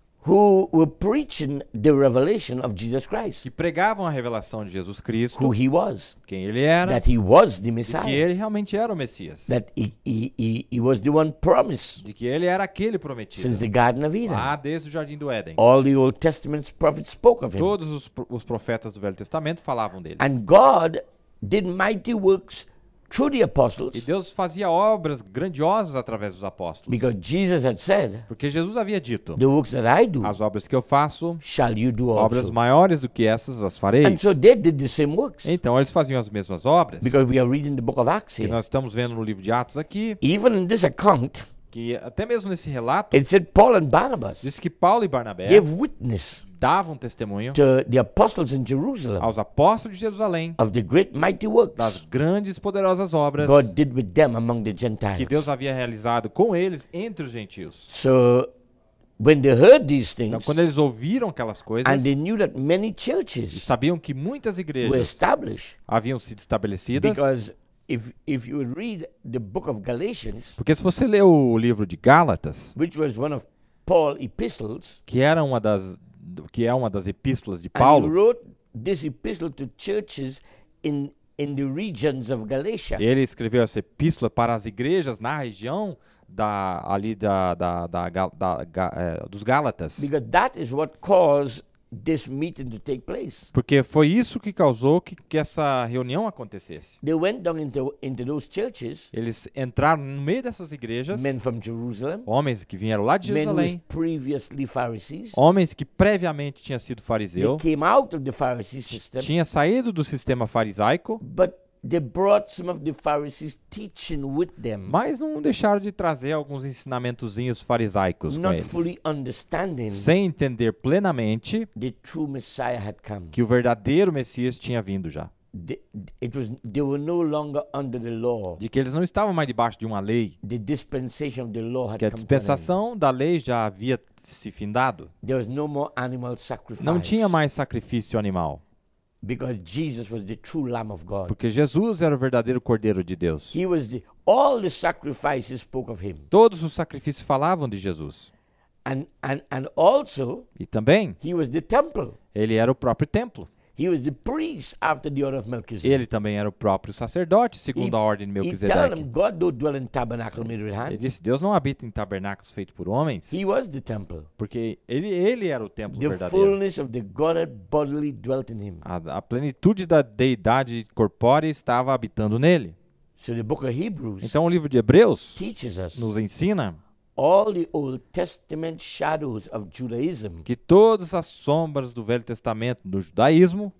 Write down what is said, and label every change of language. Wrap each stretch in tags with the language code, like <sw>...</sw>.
<en>who were preaching the revelation of Jesus Christ.</en> <pt>Que pregavam a revelação de Jesus Cristo.</pt> <en>Who he was.</en> <pt>Quem ele era.</pt> <en>That he was the Messiah.</en> <pt>Que ele realmente era o Messias.</pt> <en>That he was the one promised.</en> <pt>De que ele era aquele prometido.</pt> <en>Since the Garden of Eden.</en> <pt>Lá desde o Jardim do Éden.</pt> <en>All the Old Testament prophets spoke of him.</en> <pt>Todos os profetas do Velho Testamento falavam dele.</pt> <en>And God did mighty works through the apostles.</en> <pt>E Deus fazia obras grandiosas através dos apóstolos.</pt> <en>Because Jesus had said,</en> <pt>porque Jesus havia dito,</pt> <en>the works that I do,</en> <pt>as obras que eu faço,</pt> <en>shall you do also.</en> <pt>Obras maiores do que essas as fareis.</pt> <en>And so they did the same works.</en> <pt>Então eles faziam as mesmas obras.</pt> <en>Because we are reading the book of Acts here.</en> <pt>E nós estamos vendo no livro de Atos aqui.</pt> <en>Even in this account,</en> <pt>que até mesmo nesse relato,</pt> <en>it said Paul and Barnabas,</en> <pt>diz que Paulo e Barnabé</pt> <en>gave witness,</en> <pt>davam testemunho,</pt> <en>to the apostles in Jerusalem,</en> <pt>aos apóstolos de Jerusalém,</pt> <en>of the great mighty works,</en> <pt>das grandes poderosas obras,</pt> <en>God did with them among the Gentiles,</en> <pt>que Deus havia realizado com eles entre os gentios.</pt> <en>So when they heard these things,</en> <pt>então, quando eles ouviram aquelas coisas,</pt> <en>and they knew that many churches,</en> <pt>e sabiam que muitas igrejas</pt> <en>were established,</en> <pt>haviam sido estabelecidas,</pt> <en>because if you read the book of Galatians,</en> <pt>porque se você lê o livro de Gálatas,</pt> <en>which was one of Paul's epistles,</en> <pt>que é uma das epístolas de Paulo,</pt> <en>and he wrote this epistle to churches in the regions of Galatia.</en> <pt>Ele escreveu essa epístola para as igrejas na região dos Gálatas.</pt> <en>Because that is what caused this meeting to take place.</en> <pt>Porque foi isso que causou que essa reunião acontecesse.</pt> <en>They went down into those churches.</en> <pt>Eles entraram no meio dessas igrejas.</pt> <en>Men from Jerusalem.</en> <pt>Homens que vieram lá de Jerusalém.</pt> <en>Men who previously Pharisees.</en> <pt>Homens que previamente tinham sido fariseu.</pt> <en>They came out of the Pharisee system.</en> <pt>Tinha saído do sistema farisaico.</pt> <en>But they brought some of the Pharisees teaching with them.</en> <pt>Mas não deixaram de trazer alguns ensinamentozinhos farisaicos com eles.</pt> <en>Not fully understanding.</en> <pt>Sem entender plenamente.</pt> <en>The true Messiah had come.</en> <pt>Que o verdadeiro Messias tinha vindo já.</pt> <en>They were no longer under the law.</en> <pt>De que eles não estavam mais debaixo de uma lei.</pt> <en>The dispensation of the law had come.</en> <pt>Que a dispensação da lei já havia se findado.</pt> <en>There was no more animal sacrifice.</en> <pt>Não tinha mais sacrifício animal.</pt> <en>Because Jesus was the true Lamb of God.</en> <pt>Porque Jesus era o verdadeiro Cordeiro de Deus.</pt> <en>He was the, all the sacrifices spoke of him.</en> <pt>Todos os sacrifícios falavam de Jesus.</pt> <en>And also,</en> <pt>e também,</pt> <en>he was the temple.</en> <pt>Ele era o próprio templo.</pt> <en>He was the priest after the order of Melchizedek.</en> <pt>Ele também era o próprio sacerdote, segundo a ordem de Melquisedeque.</pt> <en>He told them, God don't dwell in tabernacles made with hands.</en> <pt>Ele disse, Deus não habita em tabernáculos feitos por homens.</pt> <en>He was the temple.</en> <pt>Porque ele era o templo</pt> <en>the</en> <pt>verdadeiro.</pt> <en>The fullness of the Godhead bodily dwelt in him.</en> <pt>A plenitude da deidade corpórea estava habitando nele.</pt> <en>So the book of Hebrews,</en> <pt>então o livro de Hebreus</pt> <en>teaches us,</en> <pt>nos ensina,</pt> <en>all the Old Testament shadows of Judaism,</en> <pt>que todas as sombras do Velho Testamento do judaísmo</pt>